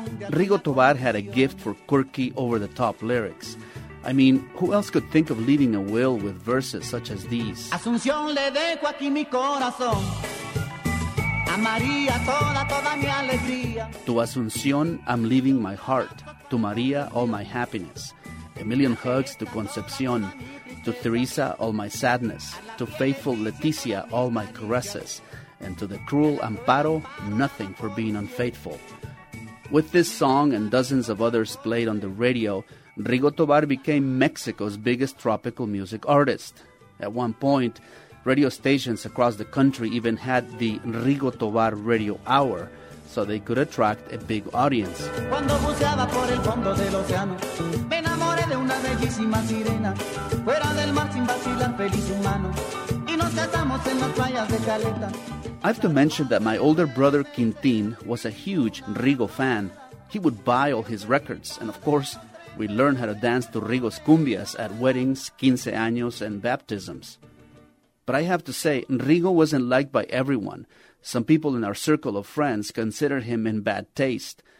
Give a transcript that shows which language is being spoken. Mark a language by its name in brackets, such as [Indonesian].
[English] Rigo Tovar had a gift for quirky, over-the-top lyrics. I mean, who else could think of leaving a will with verses such as these? [Spanish] Asunción le dejo aquí mi corazón. A María toda, toda mi alegría. [English] To Asunción, I'm leaving my heart. To María, all my happiness. A million hugs to Concepción. To Teresa, all my sadness. To faithful Leticia, all my caresses. And to the cruel Amparo, nothing for being unfaithful. With this song and dozens of others played on the radio, Rigo Tovar became Mexico's biggest tropical music artist. At one point, radio stations across the country even had the Rigo Tovar Radio Hour, so they could attract a big audience. [Spanish] Cuando buceaba por el fondo del océano, me enamoré de una bellísima sirena. Fuera del mar sin vacilar feliz humano, y nos casamos en las playas de Caleta. [English] I have to mention that my older brother Quintín was a huge Rigo fan. He would buy all his records, and of course, we learned how to dance to Rigo's cumbias at weddings, 15 años, and baptisms. But I have to say, Rigo wasn't liked by everyone. Some people in our circle of friends considered him in bad taste.